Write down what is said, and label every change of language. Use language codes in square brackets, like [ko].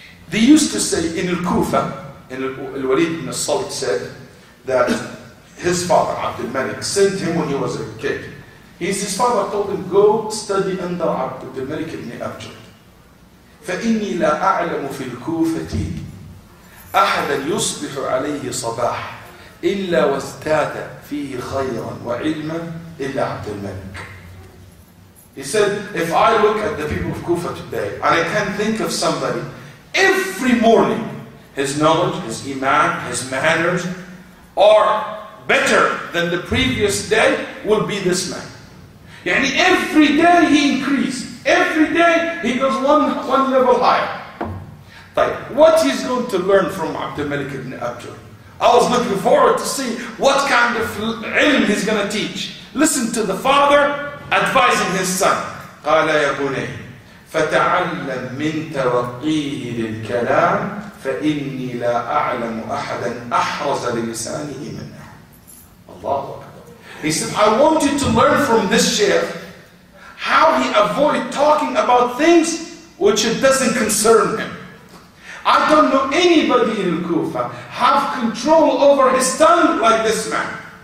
[en] They used to say in Al Kufa, Al Walid ibn Salt said that his father, Abdul Malik, sent him when he was a kid. His father told him, go study under Abdul Malik ibn Abjar. [ar] فإني لا أعلم في الكوفة أحدا يصبح عليه صباح إلا وازداد فيه خيرا وعلما إلا عبد الملك. [en] He said, if I look at the people of Kufa today, and I can think of somebody, every morning his knowledge, his iman, his manners are better than the previous day, will be this man. يعني every day he increased. Every day he goes one level higher. Like, what he's going to learn from Abdul Malik ibn Abjar? I was looking forward to see what kind of ilm he's going to teach. Listen to the father advising his son. [ar] قال يا بني فتعلم من ترقيه للكلام فإني لا أعلم أحدا أحرز للسانه منه. الله أكبر. [en] He said, I want you to learn from this shaykh how he avoided talking about things which it doesn't concern him. I don't know anybody in Kufa have control over his tongue like this man.